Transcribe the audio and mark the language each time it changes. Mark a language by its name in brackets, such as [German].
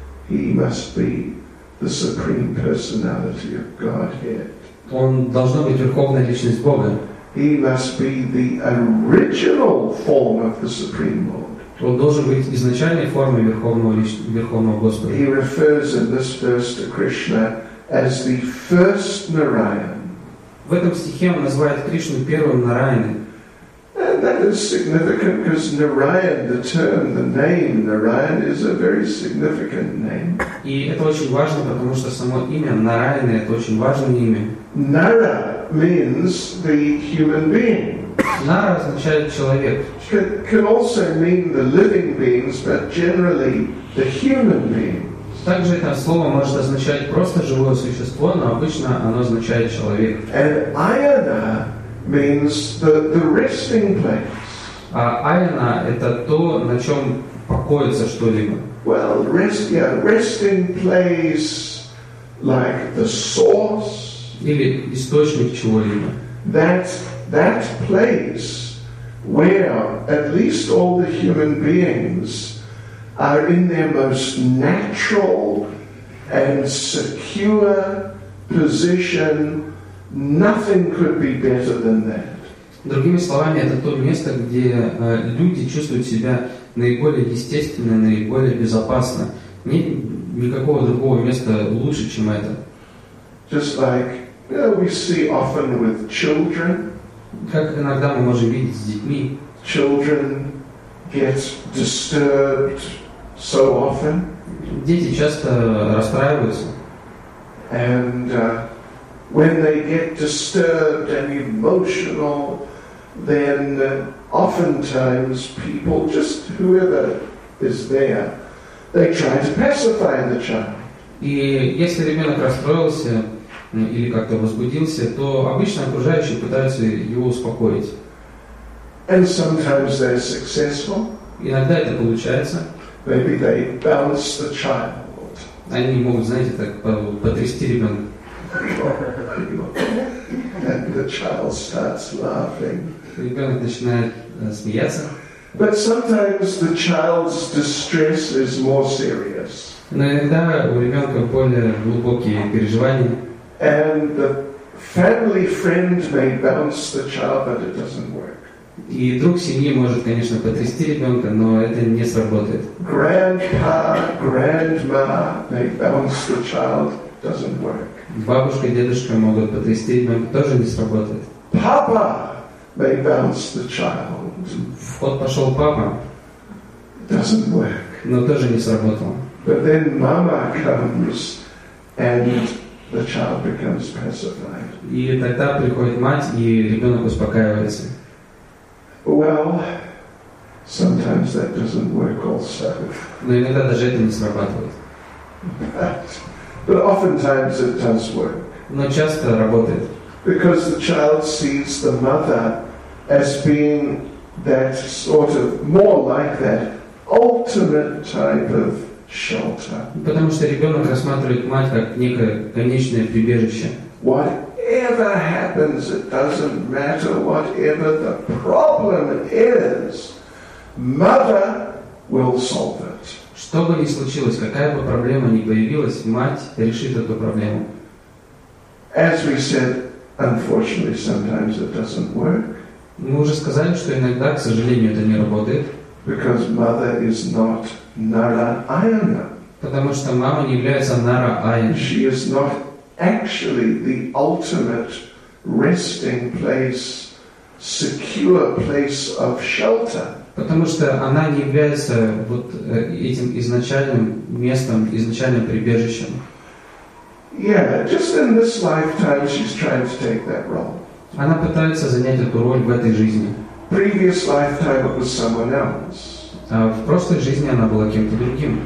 [English] He must be the supreme personality of Godhead. [Russian] Он должно быть верховная личность Бога. [English] He must be the original form of the supreme Lord. [Russian] Он должен быть изначальной формой верховного Господа. [English] He refers in this verse to Krishna as the first Narayan. [Russian] В этом стихе он называет Кришну первым Нараяном. [English] And that is significant because Narayan, the term, the name Narayan, is a very significant name. [Russian] И это очень важно, потому что само имя Нараяна это очень важное имя. [English] Nara means the human being. [Russian] Нара означает человек. [English] Can also mean the living beings, but generally the human being. [Russian] Также это слово может означать просто живое существо, но обычно оно означает человек. [English] And ayana means the resting place. [Russian] А ayana это то, на чем покоится что-либо. [English] Well, resting place like the source. [Russian] Или источник чего-либо. [English] That place where at least all the human beings are in their most natural and secure position. Nothing could be better than that. [Russian] Другими словами, это то место, где люди чувствуют себя наиболее естественно, наиболее безопасно. Нет никакого другого места лучше, чем это. [English] Just like, you know, we see often with children. [Russian] Как иногда мы можем видеть с детьми. [English] Children get disturbed. So often. [Russian] Дети часто расстраиваются. [English] And when they get disturbed and emotional, then oftentimes people, just whoever is there, they try to pacify the child. [Russian] И если ребенок расстроился или как-то возбудился, то обычно окружающие пытаются его успокоить. [English] And sometimes they're successful. [Russian] Иногда это получается. [English] Maybe they bounce the child. [Russian] Они могут, знаете, так потрясти ребенка. [English] And the child starts laughing. [Russian] Ребенок начинает смеяться. [English] But sometimes the child's distress is more serious. [Russian] Но иногда у ребенка более глубокие переживания. [English] And the family friend may bounce the child, but it doesn't work. [Russian] И друг семьи может, конечно, потрясти ребенка, но это не сработает. [English] Grandpa, grandma may bounce the child, doesn't work. [Russian] Бабушка, дедушка могут потрясти ребенка, тоже не сработает. [English] Papa may bounce the child. [Russian] Вход пошел папа. [English] Doesn't work. [Russian] Но тоже не сработал. [English] But then mama comes and the child becomes pacified. [Russian] И тогда приходит мать, и ребенок успокаивается. [English] Well, sometimes that doesn't work also. [Russian] Но иногда даже это не срабатывает. [English] But oftentimes it does work. [Russian] Но часто работает. [English] Because the child sees the mother as being that sort of more like that ultimate type of shelter. [Russian] Потому что ребенок рассматривает мать как некое конечное прибежище. [English] What? Whatever happens, it doesn't matter. Whatever the problem is, mother will solve it. [Russian] Что бы ни случилось, какая бы проблема ни появилась, мать решит эту проблему. [English] As we said, unfortunately, sometimes it doesn't work. [Russian] Мы уже сказали, что иногда, к сожалению, это не работает. [English] Because mother is not Нараяна. [Russian] Потому что мама не является Нараяной. [English] She is not actually the ultimate resting place, secure place of shelter. [Russian] Потому что она не является вот этим изначальным местом, изначальным прибежищем. [English] Yeah, just in this lifetime she's trying to take that role. [Russian] Она пытается занять эту роль в этой жизни. [English] Previous lifetime it was someone else. [Russian] А в прошлой жизни она была кем-то другим.